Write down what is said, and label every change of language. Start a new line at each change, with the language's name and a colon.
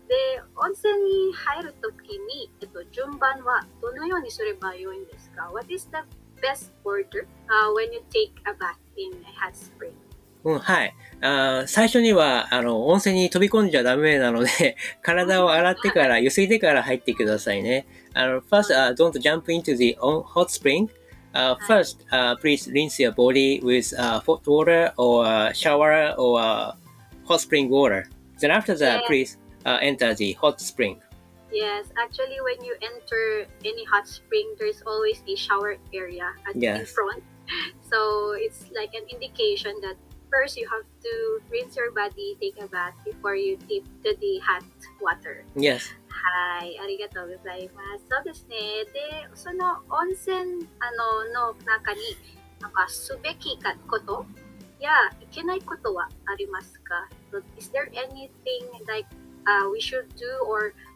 Japanese: で、温泉に入るときに、順番はどのようにすれば良いんですか？
English: What is the best order? When you take a bath in a hot spring.
Japanese: はい。最初にはあの温泉に飛び込んじゃダメなので、体を洗ってから、ゆすいでから入ってくださいね。
English: First, don't jump into the hot spring. First, please rinse your body with hot water or shower or hot spring water. Then after that, yes. Please enter the hot spring. Yes, actually when you enter any hot spring, there's always a shower area at yes. the front. So it's like an indication that first you have to rinse your body, take a bath before you dip to the hot water. Yes.
Japanese: はい、ありがとうございます。そうですね。で、その温泉あの、の中になんかすべきこと？ Yeah, いけないことはありますか？
English: But is there anything like we should do or...